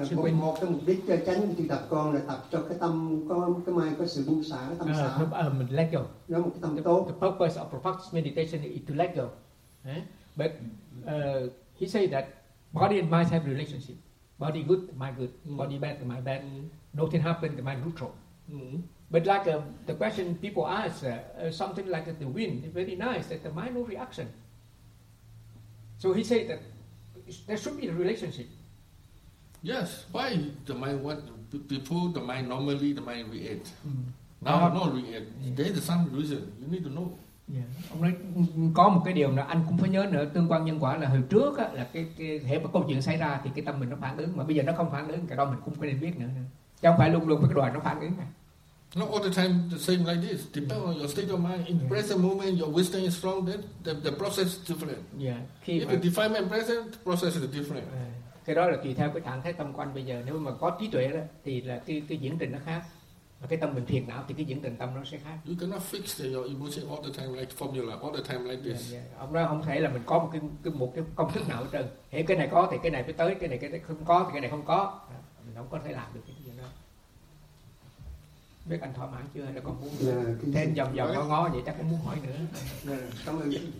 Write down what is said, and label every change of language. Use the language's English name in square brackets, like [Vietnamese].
[Vietnamese] Một cái mục đích cho tránh tu tập con là tập cho cái tâm có cái mai có sự buông xả, cái tâm xả. [English] Mình let go. [Vietnamese] Nó một cái tâm tốt. [English] The purpose of practice meditation is to let go. But he said that body and mind have relationship. Body good, mind good. Body bad, mind bad. Nothing happened, the mind neutral. But like the question people ask, something like the wind, very nice, that the mind no reaction. So he said that there should be a relationship. Yes. Why the mind? What before the mind normally the mind react. Now not react. Yeah. There is some reason. You need to know. Yeah. [Vietnamese] Ông nói có một cái điều là anh cũng phải nhớ nữa, tương quan nhân quả là hồi trước á, là cái hệ mà câu chuyện xảy ra thì cái tâm mình nó phản ứng, mà bây giờ nó không phản ứng, cái đó mình cũng phải nên biết nữa. Chứ không phải luôn luôn cái đoàn nó phản ứng. [English] No, all the time the same like this. Depends on your state of mind. In present moment, your wisdom is strong. Then the process is different. Yeah. If you define my present, the process is different. [Vietnamese] Cái đó là tùy theo cái trạng thái tâm quan bây giờ. Nếu mà có trí tuệ đó, thì là cái diễn trình nó khác. Mà cái tâm mình thiền não thì cái diễn trình tâm nó sẽ khác. [English] You cannot fix your emotion all the time like formula all the time like this. Yeah. [Vietnamese] Ông nói không thể là mình có một cái công thức nào hết trơn. Hiểu cái này có thì cái này phải tới, cái này không có thì cái này không có. Mình không có thể làm được cái gì đó. Biết anh thỏa mãn chưa hay là còn muốn thêm dòng dòng ngó ngó vậy, chắc cũng muốn hỏi nữa. Cảm ơn.